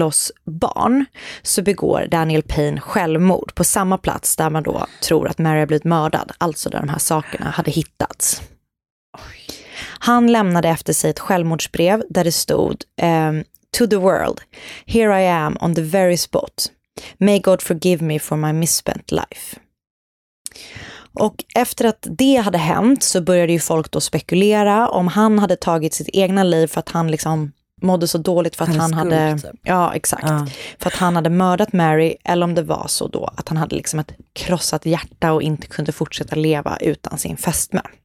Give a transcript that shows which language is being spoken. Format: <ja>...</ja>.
<sv>Loss barn så begår Daniel Payne självmord på samma plats där man då tror att Mary har blivit mördad, alltså där de här sakerna hade hittats. Han lämnade efter sig ett självmordsbrev där det stod</sv> <en>"To the world, here I am on the very spot. May God forgive me for my misspent life."</en> <sv>Och efter att det hade hänt så började ju folk då spekulera om han hade tagit sitt egna liv för att han liksom mådde så dåligt för att han hade för att han hade mördat Mary, eller om det var så då att han hade liksom ett krossat hjärta och inte kunde fortsätta leva utan sin fästmö.</sv>